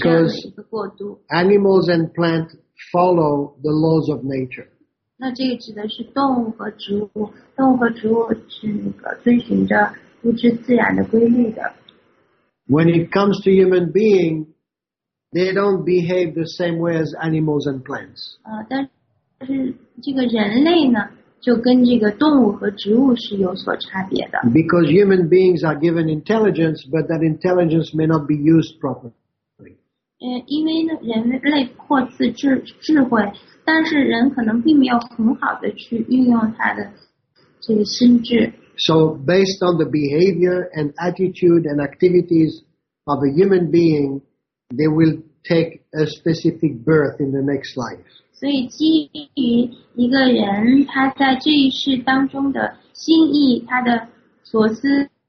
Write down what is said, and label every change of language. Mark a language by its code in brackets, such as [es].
[en] Because animals and plants follow the laws of nature. [zh] 那这个指的是动物和植物，动物和植物是那个遵循着物质自然的规律的。 [en] When it comes to human being, they don't behave the same way as animals and plants. [zh] 但是这个人类呢，就跟这个动物和植物是有所差别的。 [en] Because human beings are given intelligence, but that intelligence may not be used properly. [zh] 因为人类获赐智慧，但是人可能并没有很好的去运用他的这个心智。 [en] So based on the behavior and attitude and activities of a human being, they will take a specific birth in the next life. [zh] 所以基于一个人他在这一世当中的心意，他的所思。